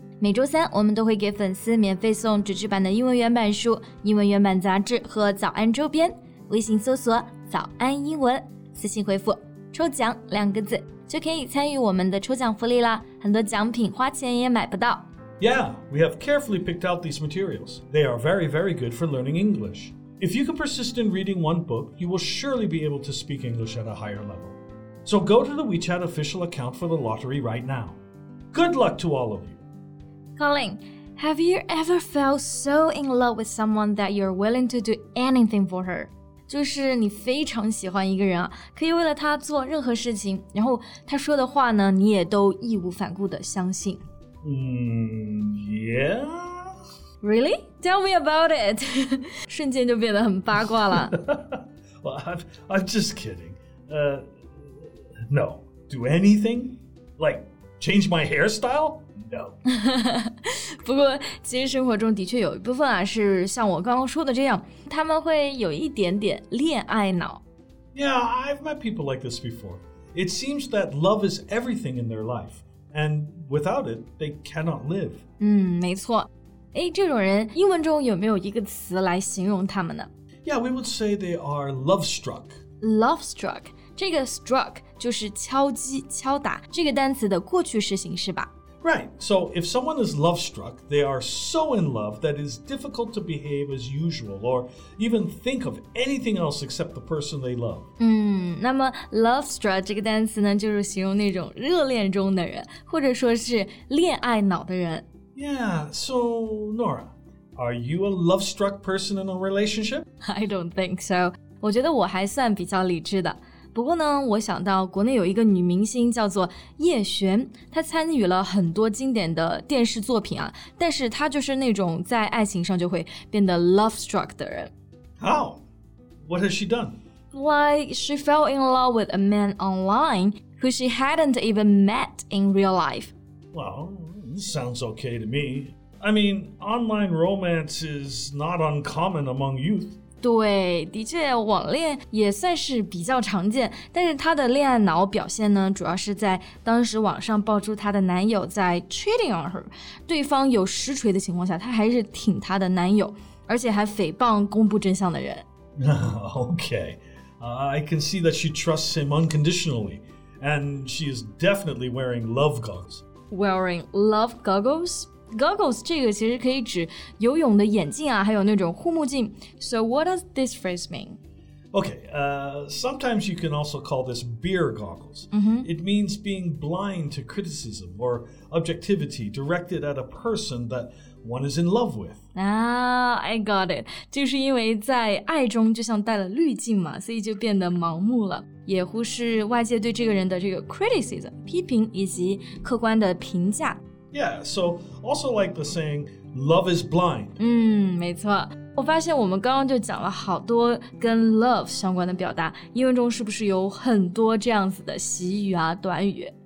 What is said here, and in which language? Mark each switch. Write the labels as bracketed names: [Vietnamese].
[Chinese] 每周三，我们都会给粉丝免费送纸质版的英文原版书、英文原版杂志和早安周边。微信搜索“早安英文”，私信回复“抽奖”两个字，就可以参与我们的抽奖福利啦。很多奖品花钱也买不到。 [English] Yeah, we have carefully picked out these materials. They are very, very good for learning English. If you can persist in reading one book, you will surely be able to speak English at a higher level. So go to the WeChat official account for the lottery right now. Good luck to all of you! Colin, have you ever felt so in love with someone that you're willing to do anything for her? [Chinese] 就是你非常喜欢一个人啊，可以为了他做任何事情，然后他说的话呢，你也都义无反顾地相信。 [English] Yeah? Really? Tell me about it. [Chinese] 瞬间就变得很八卦了。 [English] Well, I'm just kidding. No. Do anything? Like, change my hairstyle? No. [Chinese] 不过其实生活中的确有一部分啊是像我刚刚说的这样，他们会有一点点恋爱脑。 [English] Yeah, I've met people like this before. It seems that love is everything in their life, and without it, they cannot live. [Chinese] 没错。哎，这种人英文中有没有一个词来形容他们呢 [English] ？Yeah, we would say they are love-struck. [Chinese] Love-struck, 这个 struck 就是敲击、敲打这个单词的过去式形式吧 [English] ？Right. So if someone is love-struck, they are so in love that it is difficult to behave as usual or even think of anything else except the person they love. [Chinese] 那么 love-struck 这个单词呢，就是形容那种热恋中的人，或者说是恋爱脑的人。 [English] Yeah, so Nora, are you a love-struck person in a relationship? I don't think so. [Chinese] 我觉得我还算比较理智的。不过呢，我想到国内有一个女明星叫做叶璇，她参与了很多经典的电视作品啊，但是她就是那种在爱情上就会变得 love-struck 的人。 [English] How? What has she done? Like, she fell in love with a man online who she hadn't even met in real life. Well... Sounds okay to me. I mean, online romance is not uncommon among youth. [Chinese] 对，的确，网恋也算是比较常见。但是她的恋爱脑表现呢，主要是在当时网上爆出她的男友在 [English] cheating on her， [Chinese] 对方有实锤的情况下，她还是挺她的男友，而且还诽谤公布真相的人。 [English] Okay, I can see that she trusts him unconditionally, and she is definitely wearing love goggles. Wearing love goggles? [Chinese] Goggles 这个其实可以指游泳的眼镜啊，还有那种护目镜。 [English] So what does this phrase mean? Okay, sometimes you can also call this beer goggles. It means being blind to criticism or objectivity directed at a person that one is in love with. I got it. [Chinese] 就是因为在爱中就像戴了滤镜嘛，所以就变得盲目了。也忽视外界对这个人的这个 criticism, 批评以及客观的评价。 [English] Yeah, so also like the saying, love is blind. [Chinese] 没错。我发现我们刚刚就讲了好多跟 love 相关的表达，英文中是不是有很多这样子的习语啊、短语